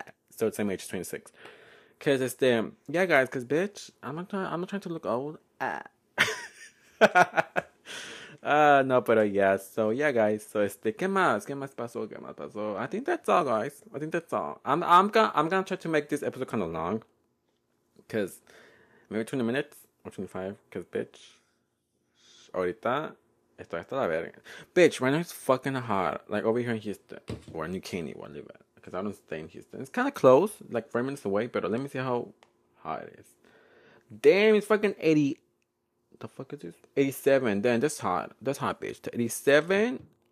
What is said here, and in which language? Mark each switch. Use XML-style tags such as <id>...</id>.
<en>So it's same age, 26. Cause it's them. Yeah, guys. Cause bitch, I'm not trying to look old. No, but yeah. So yeah, guys. So it's the</en> <es>qué más pasó.</es> <en>I think that's all, guys. I think that's all. I'm gonna try to make this episode kind of long. Cause maybe 20 minutes or 25. Cause bitch,</en> <es>ahorita estoy hasta la verga.</es> <en>Bitch, right now it's fucking hot. Like over here in Houston, or in New Caney, where I live at. Because I don't stay in Houston. It's kind of close. Like 4 minutes away. But let me see how hot it is. Damn, it's fucking 80. The fuck is this? 87. Damn, that's hot. That's hot, bitch. 87.</en>